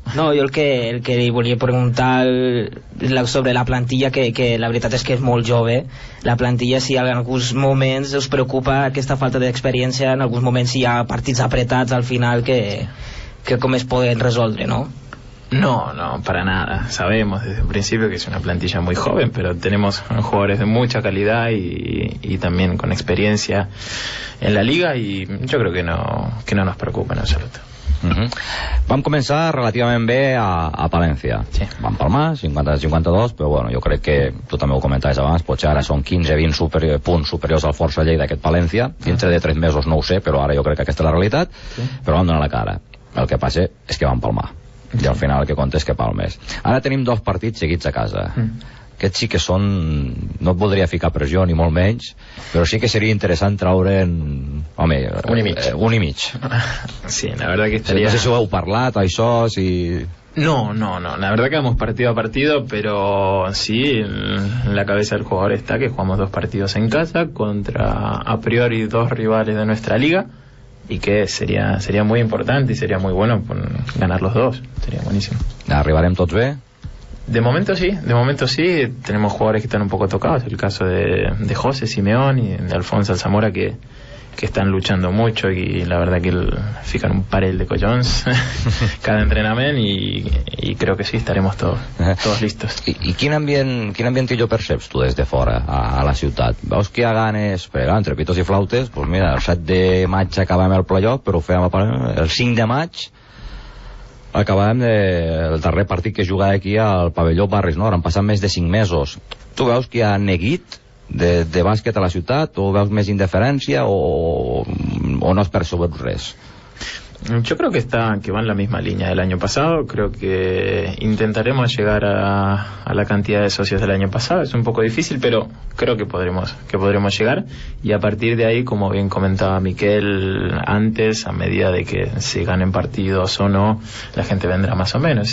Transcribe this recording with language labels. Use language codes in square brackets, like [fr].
[ca] No, jo el que li volia preguntar sobre la plantilla, que la veritat és que és molt jove, la plantilla, si en alguns moments us preocupa aquesta falta d'experiència, en alguns moments si hi ha partits apretats al final, que com es poden resoldre, no? [es] No, para nada. Sabemos desde un principio que es una plantilla muy joven, pero tenemos jugadores de mucha calidad y también con experiencia en la liga, y yo creo que no nos preocupa en absoluto. [ca] Vam començar relativament bé a Palència. Sí. Vam palmar 50-52, però bueno, jo crec que tu també ho comentaves abans, potser ara són 15-20 punts superiors al Força Lleida d'aquest Palència. Dintre de 3 mesos no ho sé, però ara jo crec que aquesta és la realitat. Sí. Però vam donar la cara. El que passa és que vam palmar. I al final el que compta és que palmes. Ara tenim dos partits seguits a casa. Aquests sí que són... No et voldria ficar pressió, ni molt menys, però sí que seria interessant traure'n... Home, un i mig. [es] Sí, la verdad que estaria... [ca] No sé si ho heu parlat, això, si... [es] No, la verdad que hemos partido a partido, pero sí, en la cabeza del jugador está que jugamos dos partidos en casa contra, a priori, dos rivales de nuestra liga, y que sería muy importante y sería muy bueno ganar los dos. Sería buenísimo. ¿Arribaremos todos bien? De momento sí. Tenemos jugadores que están un poco tocados. El caso de José Simeón y de Alfonso Alzamora, que están luchando mucho y la verdad que [ca] fican un parel de collons [es] cada entrenamiento, y creo que sí, estaremos todos listos. [ca] I quin ambient jo perceps tu des de fora a la ciutat? Veus que hi ha ganes, però entre pitos i flautes, pues mira, el 7 de maig acabem el playoff, però ho fèiem el 5 de maig, acabem el darrer partit que jugava aquí al pavelló Barris Nord, han passat més de 5 mesos. Tu veus que hi ha neguit de bàsquet a la ciutat, o veus més indiferència, o no has percebut res? [es] Yo creo que va en la misma línea del año pasado. Creo que intentaremos llegar a la cantidad de socios del año pasado. Es un poco difícil, pero creo que podremos llegar. Y a partir de ahí, como bien comentaba Miquel antes, a medida de que se ganen partidos o no, la gente vendrá más o menos.